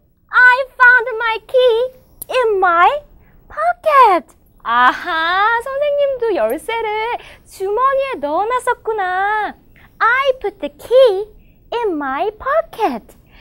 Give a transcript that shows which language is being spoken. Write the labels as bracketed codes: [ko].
[en] I found my key in my pocket. [ko] 아하, 선생님도 열쇠를 주머니에 넣어놨었구나. [en] I put the key in my pocket.